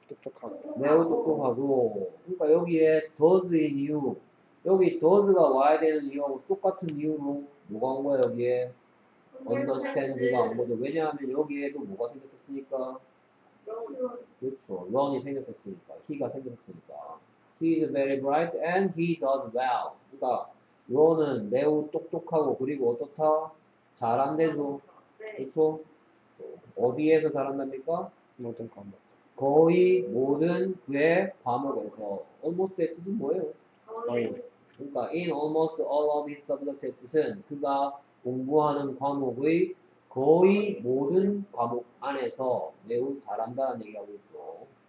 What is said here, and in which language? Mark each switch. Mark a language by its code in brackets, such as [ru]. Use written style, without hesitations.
[ko] 똑똑하고. 매우 똑똑하고. 그러니까 여기에 [en] does in you. [ko] 여기 does가 와야 되는 이유하고 똑같은 이유로 뭐가 온 거야 여기에? [en] Understands가 [ko] 온 거죠. 왜냐하면 여기에도 뭐가 생겼으니까? [en] Ron. [ko] 그렇죠. Ron이 생겼으니까. He가 생겼으니까. [en] He is very bright and he does well. [ko] 그러니까 Ron은 매우 똑똑하고 그리고 어떻다? 잘한대죠. 네. 그렇죠. 어디에서 잘한답니까? 모든 과목. 거의 모든 그의 과목에서. Almost의 뜻은 뭐예요? 거의. 그러니까 [en] in almost all of his subjects [ko] 의 뜻은 그가 공부하는 과목의 거의 모든 과목 안에서 매우 잘한다는 얘기하고 있죠.